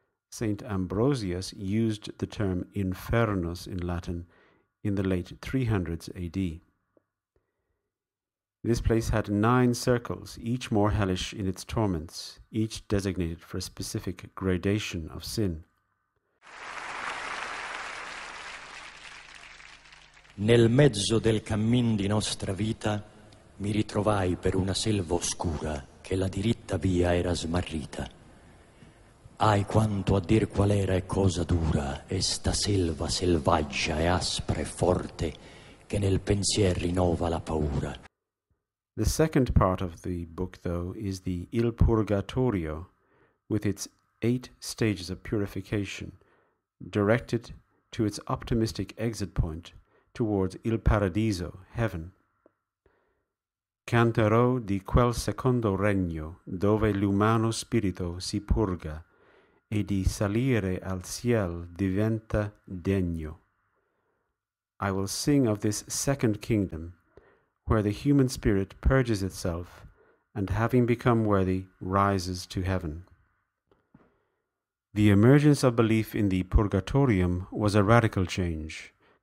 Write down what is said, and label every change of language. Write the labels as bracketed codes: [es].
[en] Saint Ambrosius used the term infernus in Latin in the late 300s AD. This place had nine circles, each more hellish in its torments, each designated for a specific gradation of sin. [it] Nel mezzo del cammin di nostra vita mi ritrovai per una selva oscura che la diritta via era smarrita. Ai quanto a dir qual era e cosa dura esta selva selvaggia e aspra e forte che nel pensier rinnova la paura. [en] The second part of the book, though, is the Il Purgatorio, with its eight stages of purification, directed to its optimistic exit point towards Il Paradiso, heaven. [it] Canterò di quel secondo regno dove l'umano spirito si purga e di salire al ciel diventa degno. [en] I will sing of this second kingdom, where the human spirit purges itself, and having become worthy, rises to heaven. The emergence of belief in the Purgatorium was a radical change.